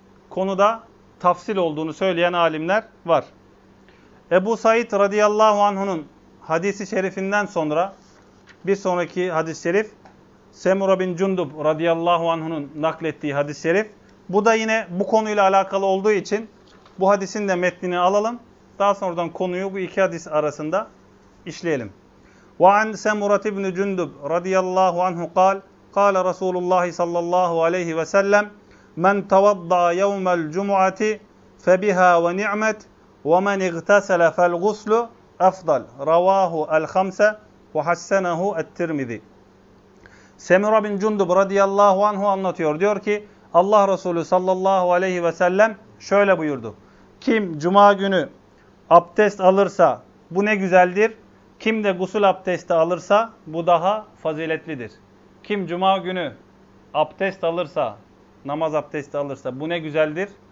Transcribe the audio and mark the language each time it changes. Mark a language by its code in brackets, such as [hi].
[tr] konuda tafsil olduğunu söyleyen alimler var. Ebu Said radıyallahu anh'un hadisi şerifinden sonra bir sonraki hadis-i şerif Semura bin Cundub radıyallahu anh'un naklettiği hadis-i şerif. Bu da yine bu konuyla alakalı olduğu için bu hadisin de metnini alalım. Daha sonradan konuyu bu iki hadis arasında işleyelim. [ar] وَعَنْ سَمُرَةِ بْنِ جُنْدُبْ رَضِيَ اللّٰهُ عَنْهُ قَالَ رَسُولُ اللّٰهِ صَلَّى اللّٰهُ عَلَيْهِ وَسَلَّمْ مَنْ تَوَضَّى يَوْمَ الْجُمُعَةِ فَبِهَا وَنِعْمَتْ وَمَنْ اِغْتَسَلَ فَالْغُسْلُ اَفْضَلْ رَوَاهُ الْخَمْسَ وَحَسَّنَهُ الْتِرْمِذِ [tr] Semura bin Cundub radıyallahu anhu anlatıyor. Diyor ki Allah Resulü sallallahu aleyhi ve sellem şöyle buyurdu. Kim cuma günü abdest alırsa bu ne güzeldir. Kim de gusül abdesti alırsa bu daha faziletlidir. Kim cuma günü abdest alırsa, namaz abdesti alırsa bu ne güzeldir.